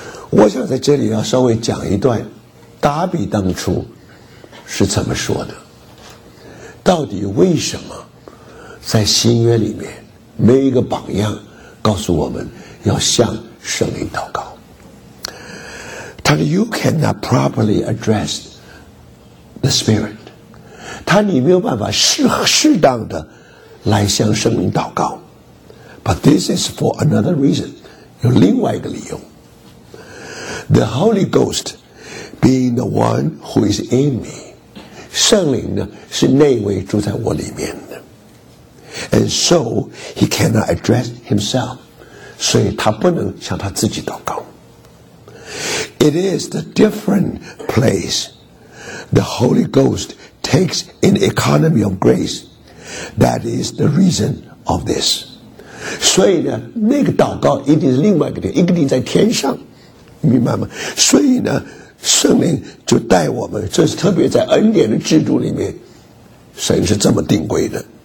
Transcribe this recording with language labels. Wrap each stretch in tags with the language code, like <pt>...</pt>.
<zh>我想在这里要稍微讲一段达比当初是怎么说的，到底为什么在新约里面没有一个榜样告诉我们要向圣灵祷告。他说</zh> <en>You cannot properly address the Spirit，</en> <zh>他你没有办法适当的来向圣灵祷告。</zh> <en>But this is for another reason，</en> <zh>有另外一个理由。</zh> <en>The Holy Ghost being the one who is in me，</en> <zh>圣灵呢是那位住在我里面的。</zh> <en>And so he cannot address himself，</en> <zh>所以他不能向他自己祷告。</zh> <en>It is the different place the Holy Ghost takes in economy of graceThat is the reason of this.</en> <zh>所以呢，那个祷告一定是另外一个点，一个定在天上，明白吗？所以呢，圣灵就带我们，这是特别在恩典的制度里面，神是这么定规的。</zh>